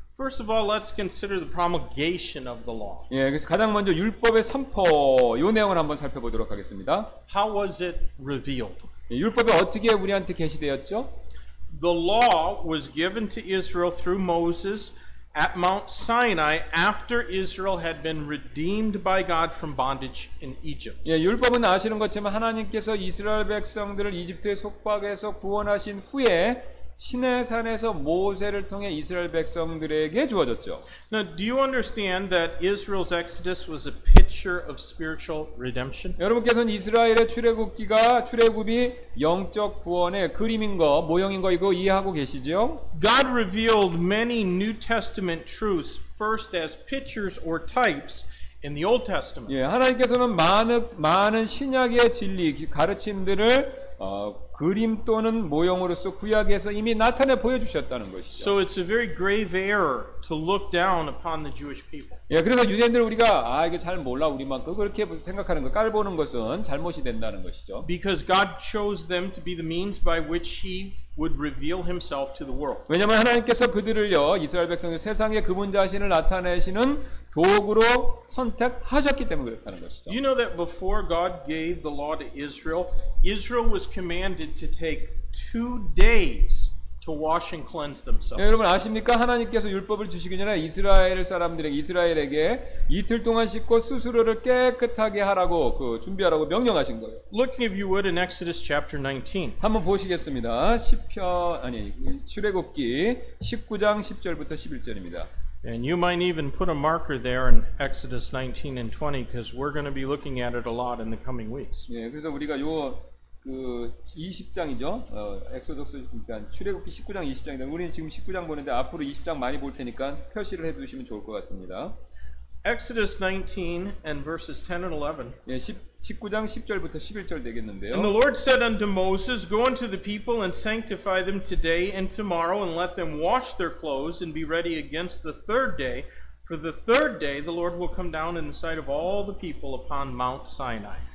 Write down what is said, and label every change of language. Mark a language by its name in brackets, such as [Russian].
[English] First of all, let's consider the promulgation of the law. [Korean] 예, 그래서 가장 먼저 율법의 선포 요 내용을 한번 살펴보도록 하겠습니다. [English] How was it revealed? [Korean] 예, 율법이 어떻게 우리한테 계시되었죠? [English] The law was given to Israel through Moses at Mount Sinai after Israel had been redeemed by God from bondage in Egypt. [Korean] 예, 율법은 아시는 것처럼 하나님께서 이스라엘 백성들을 이집트의 속박에서 구원하신 후에 시내산에서 모세를 통해 이스라엘 백성들에게 주어졌죠. [English] Now, do you understand that Israel's Exodus was a picture of spiritual redemption? [Korean] 여러분께서는 이스라엘의 출애굽이 영적 구원의 그림인 거, 모형인 거 이거 이해하고 계시죠? [English] God revealed many New Testament truths first as pictures or types in the Old Testament. [Korean] 예, 하나님께서는 많은 신약의 진리 가르침들을 그림 또는 모형으로서 구약에서 이미 나타내 보여주셨다는 것이죠. [English] So it's a very grave error to look down upon the Jewish people. [Korean] 예, 그래서 유대인들 우리가 아 이거 잘 몰라 우리만큼 그렇게 생각하는 거 깔보는 것은 잘못이 된다는 것이죠. [English] Because God chose them to be the means by which He would reveal Himself to the world. [Korean] 왜냐하면 하나님께서 그들을요 이스라엘 백성을 세상에 그분 자신을 나타내시는 도구로 선택하셨기 때문에 그렇다는 것이죠. [English] You know that before God gave the law to Israel, Israel was commanded to take 2 days to wash and cleanse themselves. [Korean] 예, 여러분 아십니까? 하나님께서 율법을 주시기 전에 이스라엘 사람들에게 이틀 동안 씻고 스스로를 깨끗하게 하라고 준비하라고 명령하신 거예요. [English] Look if you would in Exodus chapter 19. [Korean] 한번 보시겠습니다. 출애굽기 19장 10절부터 11절입니다. [English] And you might even put a marker there in Exodus 19 and 20 because we're going to be looking at it a lot in the coming weeks. [Korean] 예, 그래서 우리가 요 20장이죠. 엑소더스 그러니까 출애굽기 19장 20장인데 우리는 지금 19장 보는데 앞으로 20장 많이 볼 테니까 표시를 해 두시면 좋을 것 같습니다. [English] Exodus 19 and verses 10 and 11. [Korean] 예, 19장 10절부터 11절 되겠는데요. [English] And the Lord said unto Moses, Go unto the people and sanctify them today and tomorrow, and let them wash their clothes and be ready against the third day. For the third day the Lord will come down in the sight of all the people upon Mount Sinai.